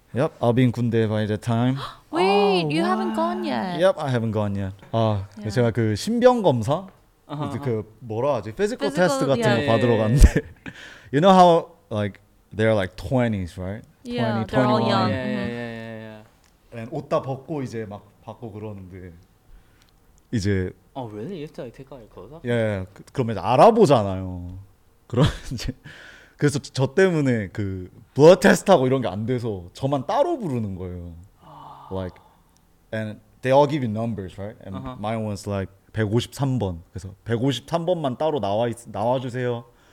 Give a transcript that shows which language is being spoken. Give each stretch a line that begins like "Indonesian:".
English: Yep, I'll be in 군대 by the time. Wait, you haven't gone yet. Yep, I haven't gone yet.
Korean: 제가 그 신병 검사, 그 뭐라 하지, physical test 같은 거 받으러 갔는데.
English: You know how like they're like 20s, right? Yeah, 20, they're 21. All young. Yeah.
Korean: And 옷 다 벗고 이제 막 받고 그러는데 이제.
English: Oh really? You have to like take all your clothes off? Yeah.
Korean: 그럼 이제 알아보잖아요. 그럼 이제. 그래서 저 때문에 그 blood test 하고 이런 게 안 돼서 저만 따로 부르는 거예요.
English: Like, and they all give you numbers, right? And mine was like 153번.
Korean: 그래서 153번만 따로 나와주세요.